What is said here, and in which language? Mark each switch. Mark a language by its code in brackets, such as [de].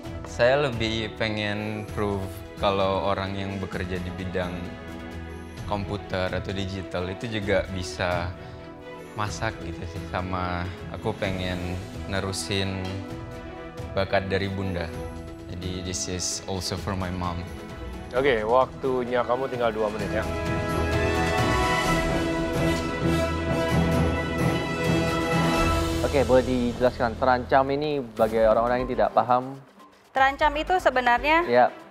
[id] Saya lebih pengen prove kalau orang yang bekerja di bidang komputer atau digital itu juga bisa masak gitu sih. Sama aku pengen nerusin bakat dari bunda. [en] Jadi this is also for my mom. [id] Oke, okay, waktunya kamu tinggal 2 menit ya. Oke, boleh dijelaskan terancam ini bagi orang-orang yang tidak paham. Terancam itu sebenarnya yep.